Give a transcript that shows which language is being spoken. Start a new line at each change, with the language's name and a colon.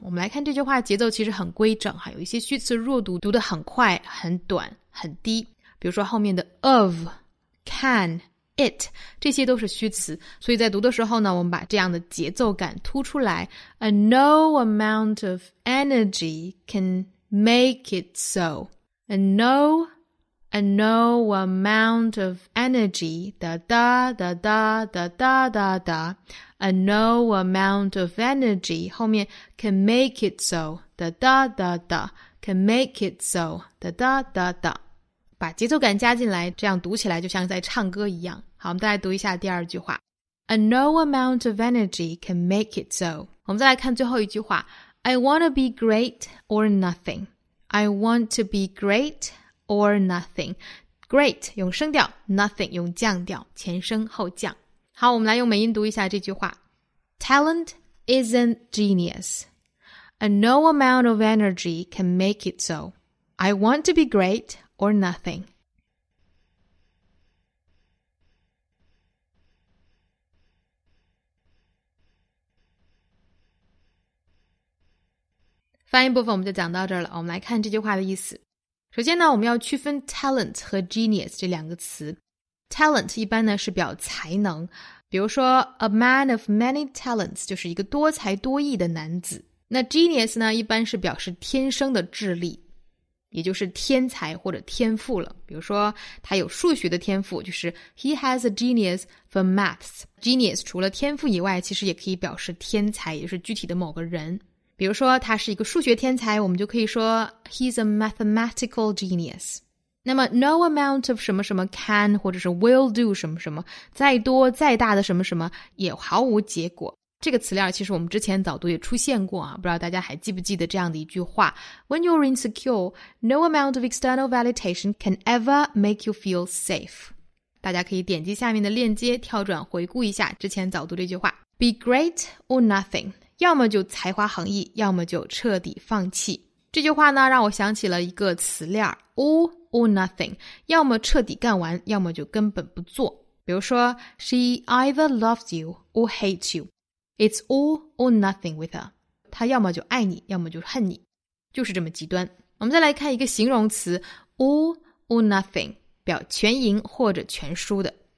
Chinese: 我们来看这句话节奏其实很规整，还有一些虚词弱读，读得很快很短很低，比如说后面的 ofcan, it, 这些都是虚词，所以在读的时候呢，我们把这样的节奏感突出来
English: and no amount of energy can make it so, and no amount of energy, da da da da da da da da, and no amount of energy, 后面 can make it so, da da da da, can make it so, da da da da.
Chinese: 把节奏感加进来，这样读起来就像在唱歌一样。好，我们再来读一下第二句话
English: And no amount of energy can make it so.
Chinese: 我们再来看最后一句话
English: I want to be great or nothing. I want to be great or nothing.
Chinese: Great 用升调， nothing 用降调，前升后降。好，我们来用美音读一下这句话
English: Talent isn't genius. And no amount of energy can make it so. I want to be greatOr nothing.
Chinese: 翻译部分我们就讲到这儿了，我们来看这句话的意思。首先呢，我们要区分 talent 和 genius 这两个词。 talent 一般呢是表才能，比如说
English: a man of many talents
Chinese: 就是一个多才多艺的男子。那 genius 呢一般是表示天生的智力，也就是天才或者天赋了。比如说他有数学的天赋，就是
English: he has a genius for maths。
Chinese: genius 除了天赋以外，其实也可以表示天才，也就是具体的某个人。比如说他是一个数学天才，我们就可以说
English: he's a mathematical genius。
Chinese: 那么 no amount of 什么什么 can 或者是 will do 什么什么，再多再大的什么什么也毫无结果。这个词链其实我们之前早读也出现过啊，不知道大家还记不记得这样的一句话
English: When you're insecure, no amount of external validation can ever make you feel safe。
Chinese: 大家可以点击下面的链接跳转回顾一下之前早读这句话。
English: Be great or nothing，
Chinese: 要么就才华横溢，要么就彻底放弃。这句话呢让我想起了一个词链 all or nothing， 要么彻底干完，要么就根本不做。
English: 比如说 She either loves you or hates you， It's all or nothing with her，
Chinese: 她要么就爱你，要么就恨你，就是这么极端。我们再来看一个形容词 all or nothing， 表全赢或者全输的。